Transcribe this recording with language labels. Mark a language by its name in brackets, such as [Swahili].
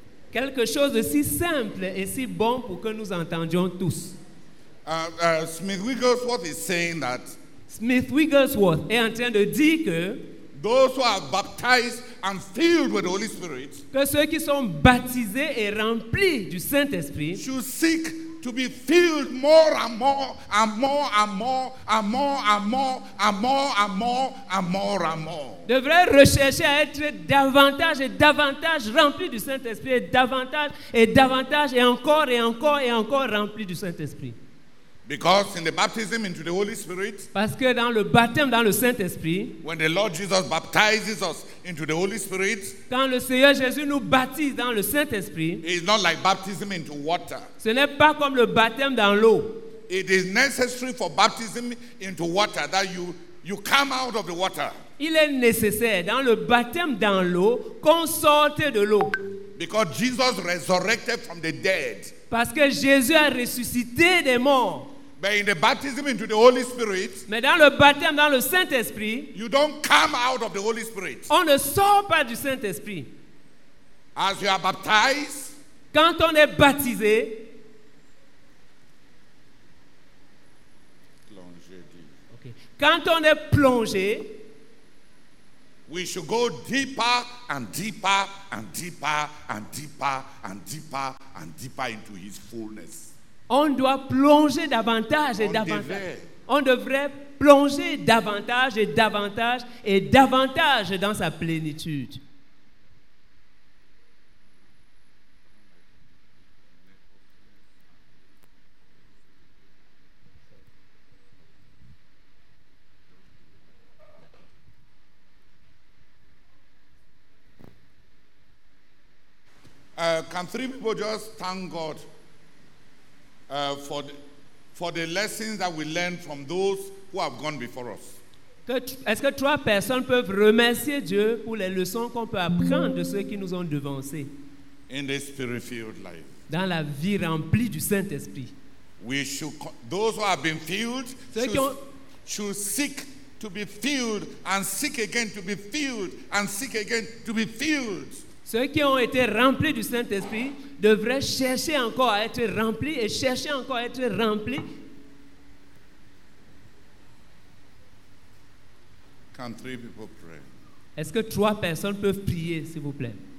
[French] Quelque chose de si simple et si bon pour que nous entendions tous. [English] Smith Wigglesworth is saying that [French] Smith Wigglesworth est en train de dire que [English] those who are baptized and filled with the Holy Spirit, [French] que ceux qui sont baptisés et remplis du Saint-Esprit, [English] should seek to be filled more and more and more and more and more and more and more and more and more and more. [French] Devrait rechercher à être davantage et davantage rempli du Saint-Esprit, davantage et davantage et encore et encore et encore rempli du Saint-Esprit. [English] Because in the baptism into the Holy Spirit, [French] parce que dans le baptême dans le Saint-Esprit, [English] when the Lord Jesus baptizes us into the Holy Spirit, [French] quand le Seigneur Jésus nous baptise dans le Saint-Esprit, [English] it is not like baptism into water. [French] Ce n'est pas comme le baptême dans l'eau. [English] It is necessary for baptism into water that you come out of the water. [French] Il est nécessaire dans le baptême dans l'eau qu'on sorte de l'eau. [English] Because Jesus resurrected from the dead. [French] Parce que Jésus a ressuscité des morts. [English] But in the baptism into the Holy Spirit, [French] mais dans le baptême dans le Saint-Esprit, [English] you don't come out of the Holy Spirit. [French] On ne sort pas du Saint-Esprit. [English] As you are baptized, [French] quand on est baptisé, quand on est plongé, [English] we should go deeper and deeper and deeper and deeper and deeper and deeper into his fullness. [French] On doit plonger davantage et davantage. On devrait plonger davantage et davantage et davantage dans sa plénitude. [English] Can three people just thank God for the lessons that we learned from those who have gone before us? [French] Est-ce que trois personnes peuvent remercier Dieu pour les leçons qu'on peut apprendre de ceux qui nous ont devancés? [English] In this spirit-filled life. [French] Dans la vie remplie du Saint-Esprit. [English] We should those who have been filled should seek to be filled and seek again to be filled and seek again to be filled. [French] Ceux qui ont été remplis du Saint-Esprit devraient chercher encore à être remplis et chercher encore à être remplis. [English] Can three people pray? [French] Est-ce que trois personnes peuvent prier, s'il vous plaît?